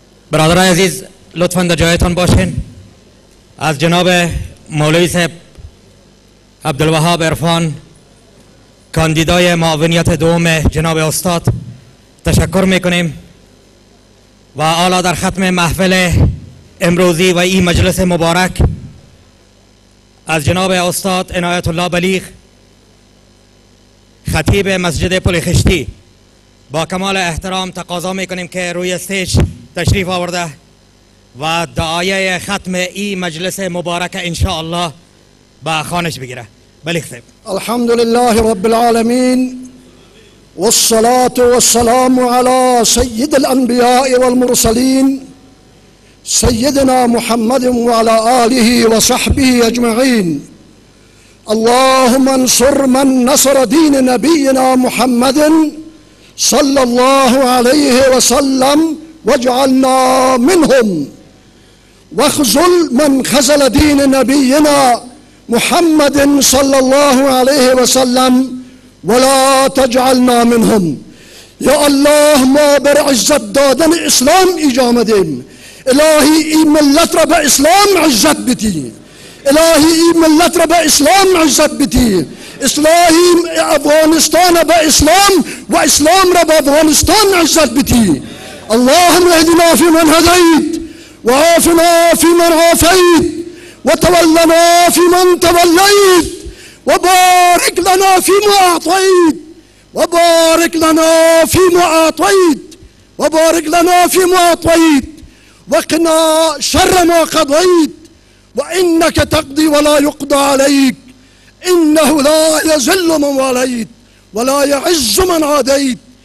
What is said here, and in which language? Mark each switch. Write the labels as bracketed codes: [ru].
[fa] برادران عزیز لطفاً در جایتان باشین. از جناب مولوی صاحب عبدالوهاب عرفان کاندیدای معاونیت دوم جناب استاد تشکر میکنیم و حالا در ختم محفل امروزی و این مجلس مبارک از جناب استاد عنایت الله بلیغ خطیب مسجد پل خشتی با کمال احترام تقاضا میکنیم که روی استیج تشریف آورده و دعای ختم این مجلس مبارک ان شاء الله با خوانش بگیره. بلیغ صاحب. [ar] الحمد لله رب العالمین والصلاة والسلام على سيد الأنبياء والمرسلين سيدنا محمد وعلى آله وصحبه أجمعين. اللهم انصر من نصر دين نبينا محمد صلى الله عليه وسلم واجعلنا منهم، واخزل من خزل دين نبينا محمد صلى الله عليه وسلم ولا تجعلنا منهم. [fa] يا الله ما بر عزت دادن اسلام ایجامدیم، الهی این ملت را به اسلام عزت بدی، الهی این ملت را به اسلام عزت بدی، اسلامی افغانستان به اسلام و اسلام را به افغانستان عزت بدی. [ar] اللهم اهدنا في من هديت وعافنا في من عافيت وتولنا في من توليت وبارك لنا فيما أعطيت وبارك لنا فيما أعطيت وبارك لنا فيما أعطيت وقنا شر ما قضيت وإنك تقضي ولا يقضى عليك إنه لا يذل من واليت ولا يعز من عاديت.